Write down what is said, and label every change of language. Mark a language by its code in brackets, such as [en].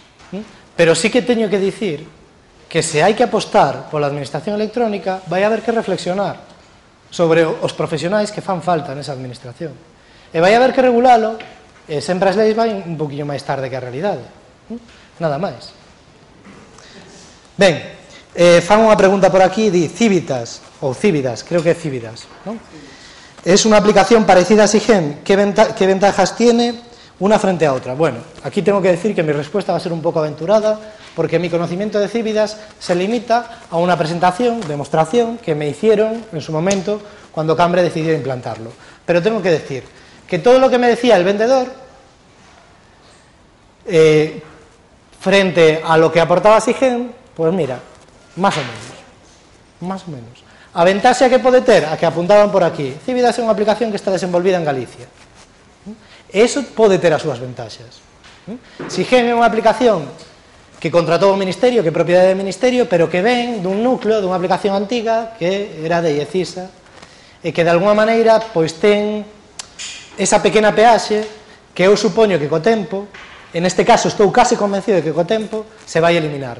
[gl] Pero sí que teño que dicir que se hai que apostar pola administración electrónica, vai haber que reflexionar sobre os profesionais que fan falta nesa administración. E vai haber que regulalo, e sempre as leis vai un poquinho máis tarde que a realidade. Nada máis. Ben, fan unha pregunta por aquí, di Cívitas, ou Cívidas, creo que é Cívidas, non? [es] Es una aplicación parecida a Sigen. ¿Qué ventajas tiene una frente a otra? Bueno, aquí tengo que decir que mi respuesta va a ser un poco aventurada, porque mi conocimiento de Cívidas se limita a una presentación, demostración, que me hicieron en su momento cuando Cambre decidió implantarlo. Pero tengo que decir que todo lo que me decía el vendedor, frente a lo que aportaba Sigen, pues mira, más o menos, más o menos. [gl] A ventaxe a que pode ter, a que apuntaban por aquí, Cívidas é unha aplicación que está desenvolvida en Galicia. Eso pode ter as súas ventaxas. Sigen é unha aplicación que contratou o Ministerio, que é propiedade do Ministerio, pero que ven dun núcleo, dunha aplicación antiga, que era de IECISA, e que de alguna maneira, pois ten esa pequena peaxe, que eu supoño que co tempo, en este caso estou casi convencido de que co tempo, se vai eliminar.